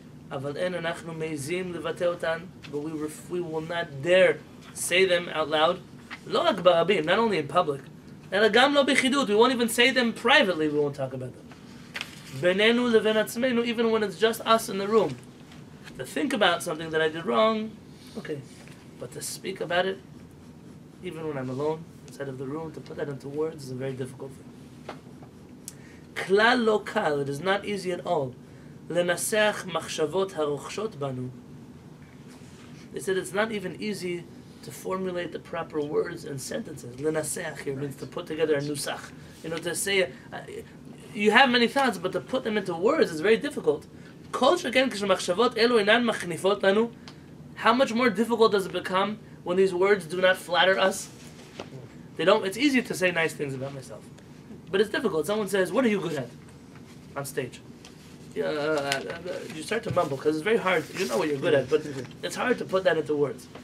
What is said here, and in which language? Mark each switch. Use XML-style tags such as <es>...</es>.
<he>אבל אין אנחנו מייזים לבטא אותן,</he> <en>but we will not dare say them out loud,</en> <he>לא רק ברבים,</he> <en>not only in public,</en> <he>אלא גם לא בחידות,</he> <en>we won't even say them privately, we won't talk about them.</en> <he>בינינו לבין עצמנו,</he> <en>even when it's just us in the room, to think about something that I did wrong, okay, but to speak about it, even when I'm alone, inside of the room, to put that into words is a very difficult thing.</en> <he>כלל לא קל,</he> <en>it is not easy at all,</en> <he>לנסח מחשבות הרוכשות בנו.</he> <en>They said it's not even easy to formulate the proper words and sentences. לנסח here, right, means to put together a nusach. You know, to say, you have many thoughts, but to put them into words is very difficult.</en> <he>כל שכן כשמחשבות אלו אינן מחניפות לנו.</he> <en>How much more difficult does it become when these words do not flatter us? They don't. It's easy to say nice things about myself, but it's difficult. Someone says, what are you good at on stage? You start to mumble because it's very hard. You know what you're good at, but it's hard to put that into words.</en>